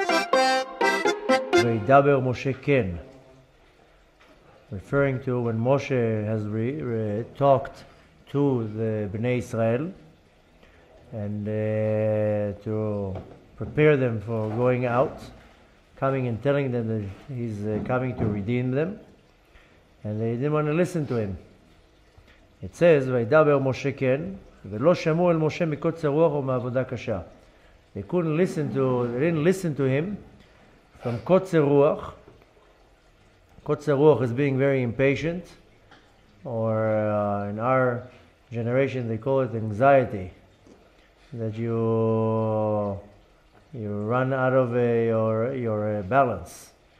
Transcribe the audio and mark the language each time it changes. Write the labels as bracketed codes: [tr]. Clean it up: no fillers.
[he] Vayidaber Moshe ken, [en] referring to when Moshe has talked to the Bnei Israel and to prepare them for going out, coming and telling them that he's coming to redeem them, and they didn't want to listen to him. It says [he] Vayidaber Moshe ken, ולא שמעו אל משה מקוצר רוח ומעבודה קשה. [en] They couldn't listen to, they didn't listen to him from קוצר רוח. קוצר רוח is being very impatient, or in our generation they call it anxiety, that you run out of your balance.